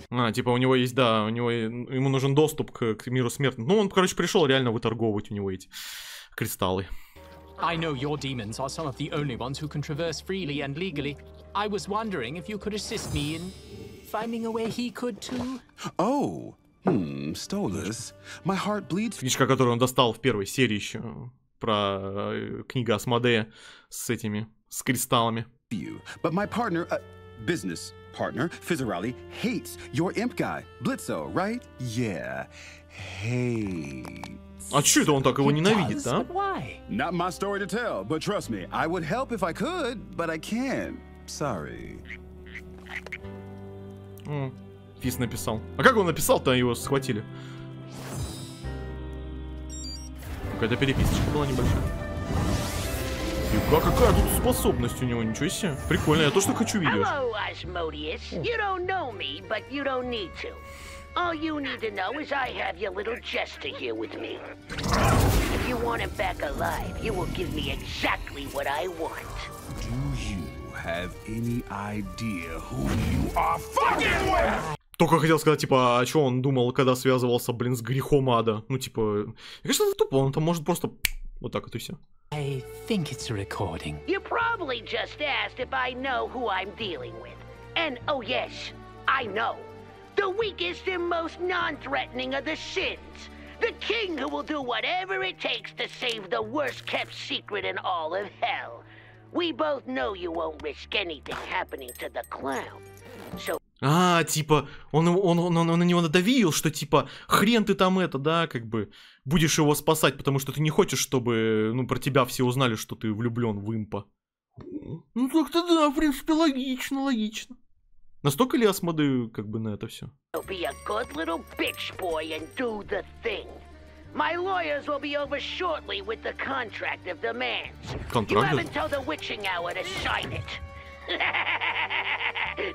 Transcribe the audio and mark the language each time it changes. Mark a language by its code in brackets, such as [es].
[ru] А, типа у него есть, да, у него ему нужен доступ к миру смертных. Ну, он, короче, пришел реально выторговывать у него эти кристаллы. [en] I know your demons are some of the only ones who can traverse freely and legally. I was wondering if you could assist me in finding a way he could too. Oh, Stolas, my heart bleeds. [ru] Книжка, которую он достал в первой серии еще. Про книгу Асмодея с этими, с кристаллами. [en] But my partner, business partner, Физзаролли, hates your imp guy, Блитцо, right? Yeah, hates. [ru] А чё это он так его ненавидит, а? [en] Not my story to tell, but trust me, I would help if I could, but I can't. Sorry. [ru] Физ написал. А как он написал-то, его схватили? Какая-то переписочка была небольшая. Фига, какая тут способность у него, ничего себе. Прикольно, я то, что хочу видеть. [en] Hello, Asmodeus. You don't know me, but you don't need to. All you need to know is I have your little jester here with me. If you want him back alive, you will give me exactly what I want. Do you have any idea who you are fucking with? [ru] Только хотел сказать, типа, а чё он думал, когда связывался, блин, с грехом ада? Ну, типа, я кажется, это тупо, он там может просто вот так вот и всё. [en] I think it's a recording. You probably just asked if I know who I'm dealing with. And, oh yes, I know. The weakest and most non-threatening of the sins. The king who will do whatever it takes to save the worst-kept secret in all of hell. We both know you won't risk anything happening to the clown. So... [ru] А, типа, он на него надавил, что, типа, хрен ты там это, да, как бы, будешь его спасать, потому что ты не хочешь, чтобы, ну, про тебя все узнали, что ты влюблен в импа. Ну, так-то да, в принципе, логично, логично. Настолько ли я смотрю, как бы, на это все? [en] My lawyers will be over shortly with the contract of demands. [ru] Контракт? [en] You have until the witching hour to sign it.